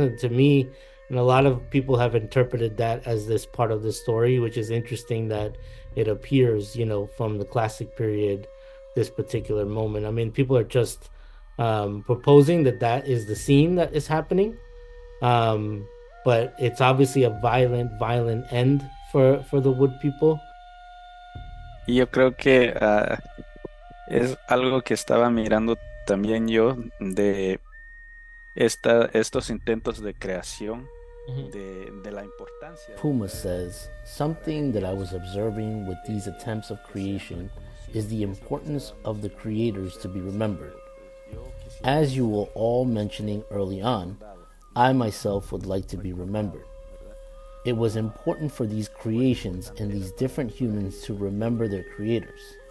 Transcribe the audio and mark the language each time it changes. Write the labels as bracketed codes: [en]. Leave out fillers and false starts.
[en] And to me, and a lot of people have interpreted that as this part of the story, which is interesting that it appears, you know, from the classic period, this particular moment. I mean, people are just proposing that is the scene that is happening, but it's obviously a violent, violent end for the wood people. [es] Yo creo que es algo que estaba mirando también yo de estos intentos de creación de la importancia. [en] Puma says, something that I was observing with these attempts of creation is the importance of the creators to be remembered. As you were all mentioning early on, I myself would like to be remembered. It was important for these creations and these different humans to remember their creators.